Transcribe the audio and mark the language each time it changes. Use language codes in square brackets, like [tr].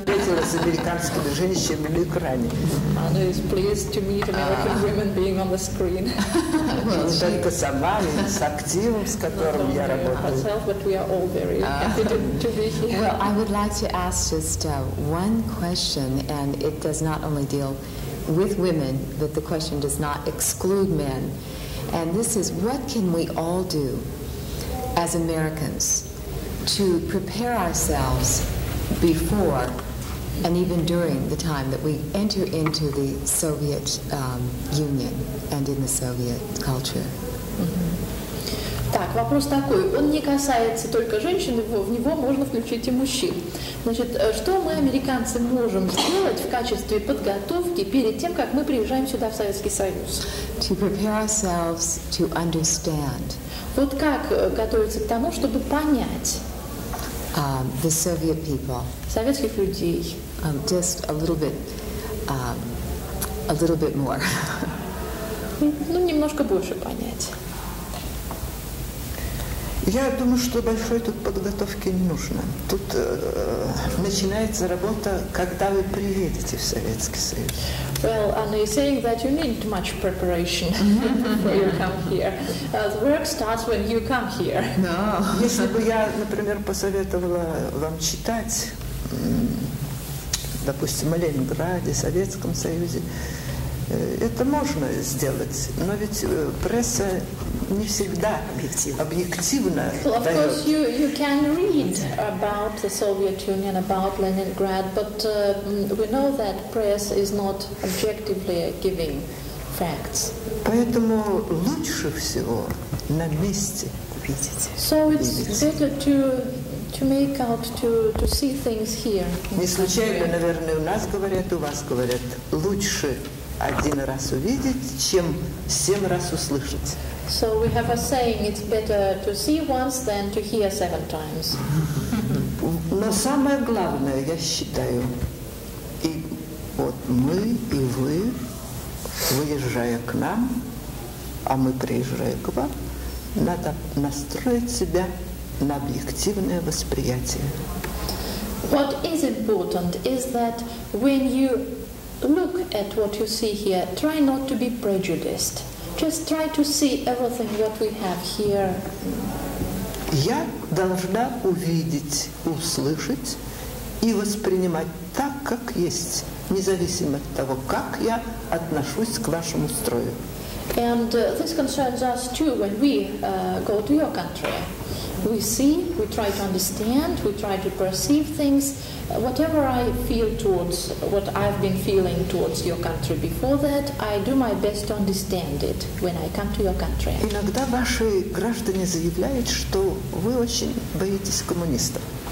[ru] Встретила с американскими женщинами на экране. [en] Она is pleased to meet American women being on the screen. Не только сама, но и с активом, с которым я работаю. Herself, but we are all very happy to be here. Well, I would like to ask just one question, and it does not only deal with women, but the question does not exclude men. And this is, what can we all do as Americans to prepare ourselves before and even during the time that we enter into the Soviet Union and in the Soviet culture? [ru] Mm-hmm. Так, вопрос такой. Он не касается только женщин, в него можно включить и мужчин. Значит, что мы, американцы, можем сделать в качестве подготовки перед тем, как мы приезжаем сюда, в Советский Союз? [en] To prepare ourselves to understand. [ru] Вот как готовиться к тому, чтобы понять? [en] The Soviet people. [ru] Советских людей. [en] Just a little bit more. [ru] Ну, немножко больше понять. Я думаю, что большой тут подготовки не нужно. Тут начинается работа, когда вы приедете в Советский Союз. [en] Well, Anna is saying that you need much preparation before you come here. The work starts when you come here. No. [ru] Если бы я, например, посоветовала вам читать, допустим, о Ленинграде, Советском Союзе, Это можно сделать, но ведь пресса не всегда объективна. [en] Well, of course, you can read about the Soviet Union, about Leningrad, but we know that press is not objectively giving facts. [ru] Поэтому лучше всего на месте видеть. [en] So it's better to make out, to see things here. [ru] Не случайно, наверное, у нас говорят, у вас говорят, лучше один раз увидеть, чем семь раз услышать. [en] So we have a saying, it's better to see once than to hear seven times. [ru] Но самое главное, я считаю, и вот мы, и вы, выезжая к нам, а мы приезжая к вам, надо настроить себя на объективное восприятие. [en] What is important is that when you look at what you see here, try not to be prejudiced. Just try to see everything that we have here. [ru] Я должна увидеть, услышать и воспринимать так, как есть, независимо от того, как я отношусь к вашему строю. [en] And this concerns us too when we go to your country. We see, we try to understand, we try to perceive things. Whatever I feel towards, what I've been feeling towards your country before that, I do my best to understand it when I come to your country. [ru] Иногда ваши граждане заявляют, что вы очень боитесь коммунистов.